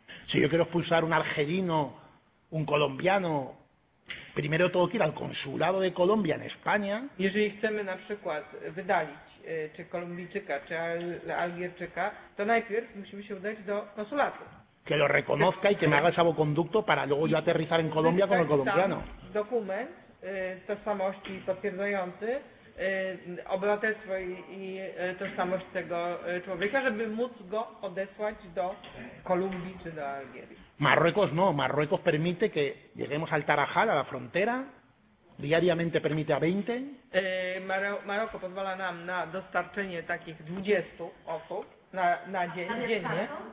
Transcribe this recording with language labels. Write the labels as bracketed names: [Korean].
[Spanish] Si yo quiero expulsar un argelino, un colombiano, primero tengo que ir al consulado de Colombia en España. [Polish] Jeżeli chcemy na przykład wydalić czy Kolumbijczyka, czy Algierczyka, to najpierw musimy się udać do konsulatu. [Spanish] Que lo reconozca y que me haga el salvoconducto para luego yo aterrizar en Colombia con el colombiano. [Polish] Dokument tożsamości potwierdzający obywatelstwo i tożsamość tego człowieka, żeby móc go odesłać do Kolumbii czy do Algierii. [Spanish] Marruecos no. Marruecos permite que lleguemos al Tarajal, a la frontera. Diariamente permite a 20. [Polish] Maroko pozwala nam na dostarczenie takich 20 osób na dzień, dziennie.